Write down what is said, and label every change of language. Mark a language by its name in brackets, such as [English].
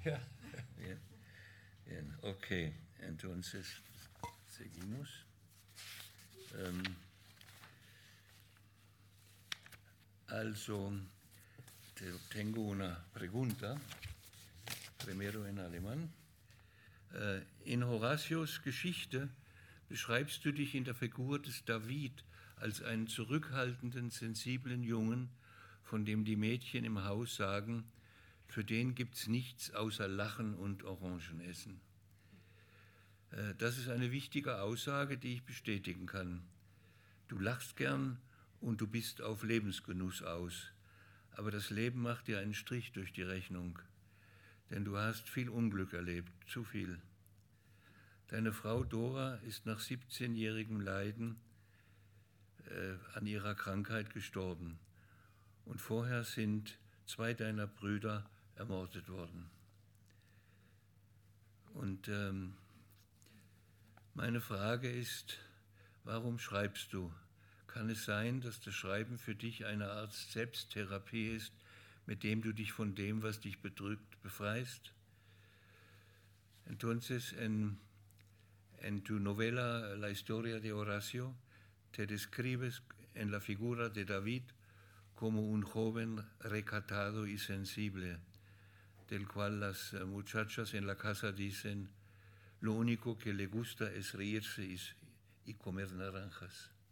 [Spanish] Bien. Bien. Ok, entonces, seguimos. Also, tengo una pregunta, primero en alemán. [German] In Horatios Geschichte beschreibst du dich in der Figur des David als einen zurückhaltenden, sensiblen Jungen, von dem die Mädchen im Haus sagen, für den gibt's nichts außer Lachen und Orangenessen. Das ist eine wichtige Aussage, die ich bestätigen kann. Du lachst gern und du bist auf Lebensgenuss aus. Aber das Leben macht dir einen Strich durch die Rechnung. Denn du hast viel Unglück erlebt, zu viel. Deine Frau Dora ist nach 17-jährigem Leiden an ihrer Krankheit gestorben. Und vorher sind zwei deiner Brüder ermordet worden. Und meine Frage ist, warum schreibst du? Kann es sein, dass das Schreiben für dich eine Art Selbsttherapie ist, mit dem du dich von dem, was dich bedrückt, befreist? [Spanish] Entonces, en tu novela La historia de Horacio, te describes en la figura de David como un joven recatado y sensible, del cual las muchachas en la casa dicen lo único que le gusta es reírse y comer naranjas.